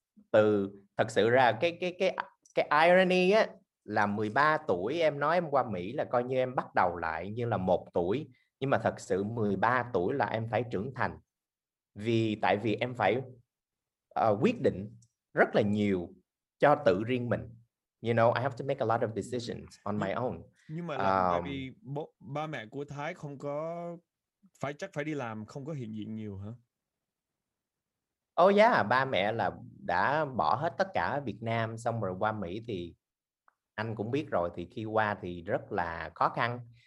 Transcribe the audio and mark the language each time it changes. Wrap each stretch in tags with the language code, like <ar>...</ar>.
<vi>Từ thật sự ra cái irony á, là 13 tuổi em nói em qua Mỹ là coi như em bắt đầu lại như là 1 tuổi, nhưng mà thật sự 13 tuổi là em phải trưởng thành. Vì tại vì em phải quyết định rất là nhiều cho tự riêng mình.</vi> <en>You know, I have to make a lot of decisions on my own.</en> <vi>Nhưng mà là tại vì ba mẹ của Thái không có phải chắc phải đi làm, không có hiện diện nhiều hả?</vi> <en>Oh yeah,</en> <vi>ba mẹ là đã bỏ hết tất cả Việt Nam xong rồi qua Mỹ, thì anh cũng biết rồi, thì khi qua thì rất là khó khăn.</vi>